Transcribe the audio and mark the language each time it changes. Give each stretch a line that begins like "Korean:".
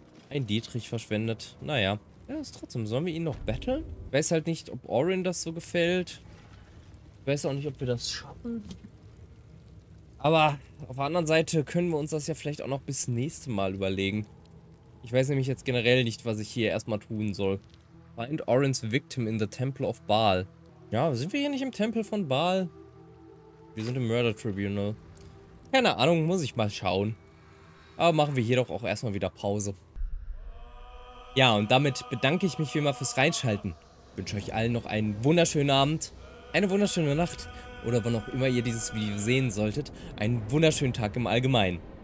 German: Ein Dietrich verschwendet. Naja. Ja, ist trotzdem. Sollen wir ihn noch battlen? Ich weiß halt nicht, ob Orin das so gefällt. Ich weiß auch nicht, ob wir das schaffen. Aber auf der anderen Seite können wir uns das ja vielleicht auch noch bis nächste Mal überlegen. Ich weiß nämlich jetzt generell nicht, was ich hier erstmal tun soll.
English: Find Orin's victim in the Temple of Baal.
German: Ja, sind wir hier nicht im Tempel von Baal? Wir sind im Murder Tribunal. Keine Ahnung, muss ich mal schauen. Aber machen wir hier doch auch erstmal wieder Pause. Ja, und damit bedanke ich mich wie immer fürs Reinschalten. Ich wünsche euch allen noch einen wunderschönen Abend, eine wunderschöne Nacht oder wann auch immer ihr dieses Video sehen solltet, einen wunderschönen Tag im Allgemeinen.